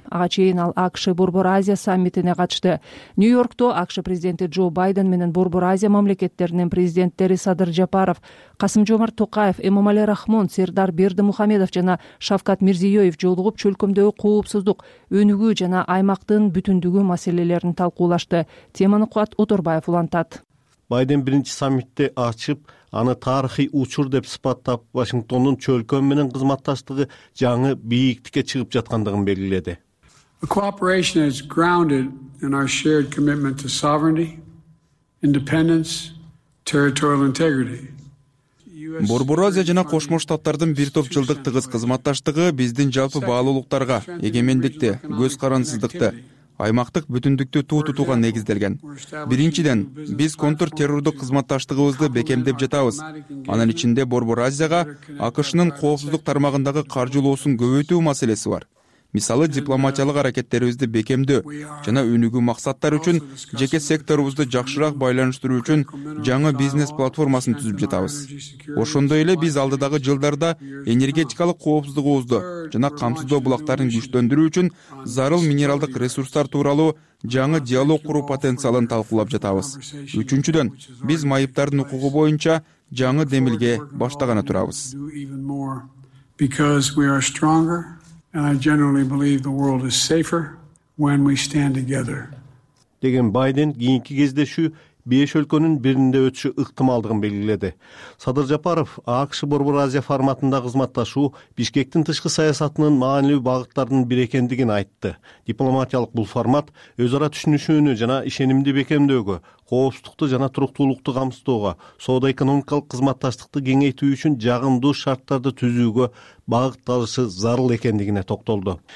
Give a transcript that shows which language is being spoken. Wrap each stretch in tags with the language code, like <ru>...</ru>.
<ky>Ага чейин ал АКШ Борбор Азия саммитине катышты. Нью-Йоркто АКШ президенти Джо Байден менен Борбор Азия мамлекеттеринин президенттери Садыр Жапаров, Касым Жомарт Токаев, Эмомали Рахмон, Сердар Бердимухамедов жана Шавкат Мирзиёев жолугуп, чөлкөмдөгү коопсуздук, өнүгүү жана аймактын бүтүндүгү маселелерин талкуулашты. Теманы Кубат Оторбаев улантат. Байден биринчи саммитти ачып, аны тарыхый учур деп сыпаттап, Вашингтондун чөлкөм менен кызматташтыгы жаңы бийиктикке чыгып жаткандыгын белгиледи.</ky> <en>Cooperation is grounded in our shared commitment to sovereignty, independence, territorial integrity.</en> <ky>Борбор Азия жана Кошмо Штаттардын бир топ жылдык тыгыз кызматташтыгы биздин жалпы баалуулуктарга, эгемендикке, көз карансыздыкка, аймактык бүтүндүктү туу тутууга негизделген. Биринчиден, биз контур террордук кызматташтыгыбызды бекемдеп жатабыз. Анын ичинде Борбор Азияга АКШнын коопсуздук тармагындагы каржылоосун көбөйтүү маселеси бар. Мисалы, дипломатиялык аракеттерибизди бекемдөө жана өнүгүү максаттар үчүн жеке секторубузду жакшыраак байланыштыруу үчүн жаңы бизнес платформасын түзүп жатабыз. Ошондой эле биз алдыдагы жылдарда энергетикалык коопсуздугубузду жана камсыздоо булактарын күчтөндүрүү үчүн зарыл минералдык ресурстар тууралуу жаңы диалог куруу потенциалын талкуулап жатабыз. Үчүнчүдөн, биз майыптардын укугу боюнча жаңы демилге баштаганы турабыз.</ky> <en>Because we are stronger and I generally believe the world is safer when we stand together.</en> <ky>Деген Байден кийинки кездешүү 5 өлкөнүн биринде өтүшү ыктымалдыгын белгиледи. Садыр Жапаров АКШ Борбор Азия форматында кызматташуу Бишкектин тышкы саясатынын маанилүү багыттарынын бири экендигин айтты. Дипломатиялык бул формат өз ара түшүнүшүүнү жана ишенимди бекемдөөгө, коопсуздукту жана туруктуулукту камсыздоого, соода экономикалык кызматташтыкты кеңейтүү үчүн жагымдуу шарттарды түзүүгө багытталышы зарыл экендигине токтолду.</ky>